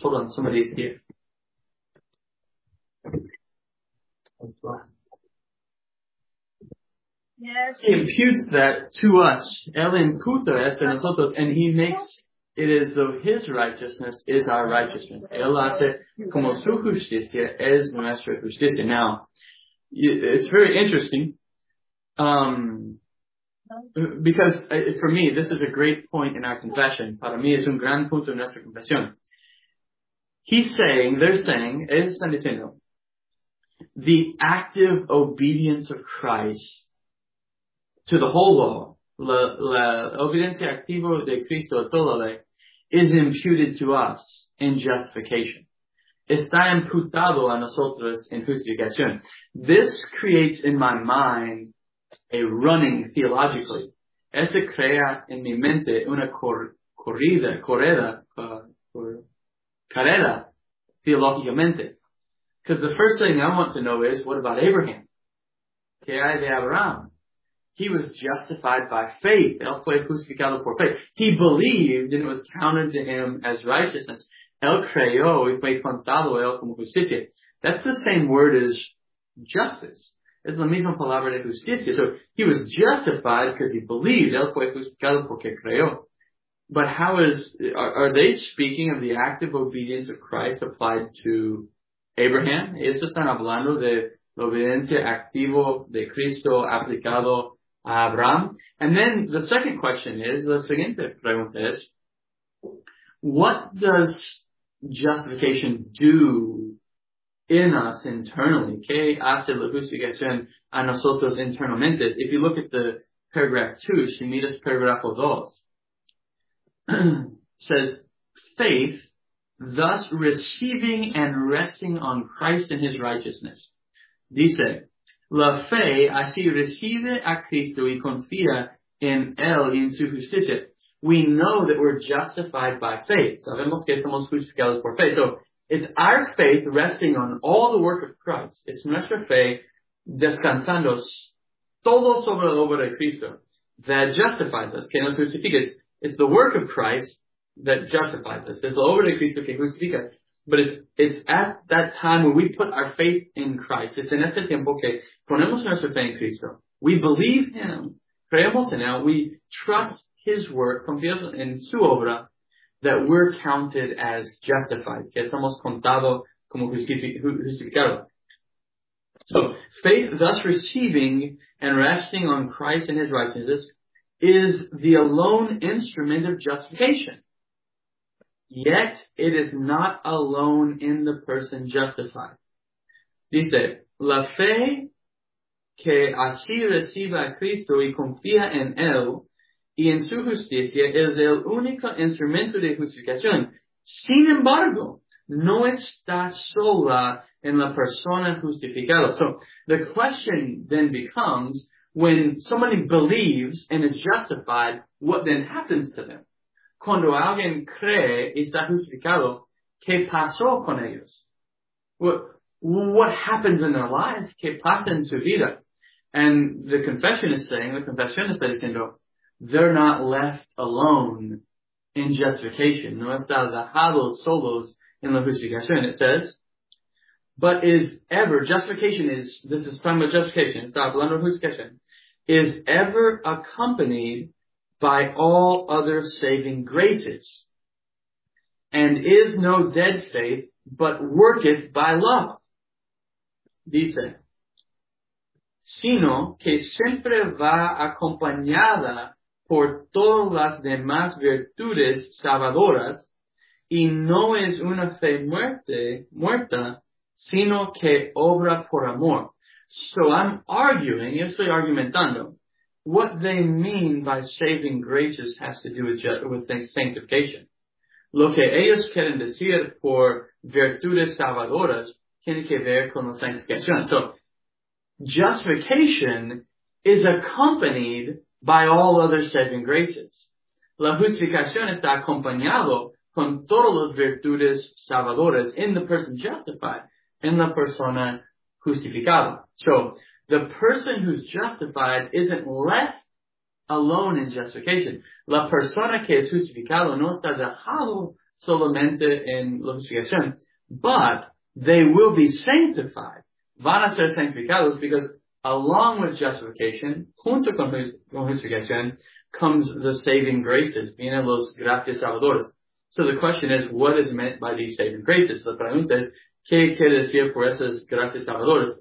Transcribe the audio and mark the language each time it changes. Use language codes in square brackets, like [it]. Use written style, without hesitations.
[en] Hold on, somebody's here. Yes. He imputes that to us. [es] Él imputa esto a nosotros, [en] and he makes It is though his righteousness is our righteousness. [es] Él hace como su justicia es nuestra justicia. [en] Now, it's very interesting, because for me, this is a great point in our confession. [es] Para mí es un gran punto en nuestra confesión. [en] He's saying, they're saying, [es] ellos están diciendo, [en] the active obedience of Christ to the whole law, [es] la obediencia activa de Cristo a toda ley, [en] is imputed to us in justification. [es] Está imputado a nosotros en justificación. [en] This creates in my mind a running theologically. [es] Este crea en mi mente una carrera theologicamente. [en] Because the first thing I want to know is, what about Abraham? [es] ¿Qué hay de Abraham? [en] He was justified by faith. [es] Él fue justificado por fe. [en] He believed and it was counted to him as righteousness. [es] Él creyó y fue contado él como justicia. [en] That's the same word as justice. [es] Es la misma palabra de justicia. [en] So he was justified because he believed. [es] Él fue justificado porque creyó. [en] But how is, are they speaking of the active obedience of Christ applied to Abraham? [es] Ellos están hablando de la obediencia activa de Cristo aplicado a Abraham. [en] And then the second question is, [es] la siguiente pregunta es, [en] what does justification do in us internally? [es] ¿Qué hace la justificación a nosotros internamente? [en] If you look at the paragraph 2, [es] si miras paragrafo 2, [en] says, faith, thus receiving and resting on Christ and his righteousness. [es] Dice, la fe así recibe a Cristo y confía en él y en su justicia. [en] We know that we're justified by faith. [es] Sabemos que somos justificados por fe. [en] So, it's our faith resting on all the work of Christ. [es] It's nuestra fe descansando todo sobre la obra de Cristo [en] that justifies us, [es] que nos justifica. [en] It's the work of Christ that justifies us. It's the [es] obra de Cristo que justifica. [en] But it's at that time when we put our faith in Christ. It's in [es] este tiempo que ponemos nuestra fe en Cristo. [en] We believe him. [es] Creemos en él. [en] We trust his work. [es] Confiamos en su obra. [en] That we're counted as justified. [es] Que somos contados como justificados. [en] So, faith thus receiving and resting on Christ and his righteousness is the alone instrument of justification. Yet, it is not alone in the person justified. [es] Dice, la fe que así recibe a Cristo y confía en él y en su justicia es el único instrumento de justificación. Sin embargo, no está sola en la persona justificada. [en] So, the question then becomes, when somebody believes and is justified, what then happens to them? [es] Cuando alguien cree y está justificado, ¿qué pasó con ellos? [en] What happens in their lives? [es] ¿Qué pasa en su vida? [en] And the confession is saying, the confession [es] está diciendo, [en] they're not left alone in justification. [es] No está dejado solos en la justificación. [en] It says, but is ever, justification is, this is talking about justification, [es] está hablando de justificación, [en] is ever accompanied by all other saving graces, and is no dead faith, but worketh by love. [es] Dice, sino que siempre va acompañada por todas las demás virtudes salvadoras, y no es una fe muerta, sino que obra por amor. [en] So I'm arguing, [es] yo estoy argumentando, [en] what they mean by saving graces has to do with sanctification. [es] Lo que ellos quieren decir por virtudes salvadoras tiene que ver con la sanctificación. [en] So, justification is accompanied by all other saving graces. [es] La justificación está acompañado con todas las virtudes salvadoras [en] in the person justified, [es] en la persona justificada. [en] So, the person who's justified isn't left alone in justification. [es] La persona que es justificado no está dejado solamente en la justificación. [en] But they will be sanctified. [es] Van a ser sanctificados [en] because along with justification, [es] junto con justificación, [en] comes the saving graces. [es] Vienen los gracias salvadoras. [en] So the question is, what is meant by these saving graces? [es] La pregunta es, ¿qué quiere decir por esas gracias salvadoras?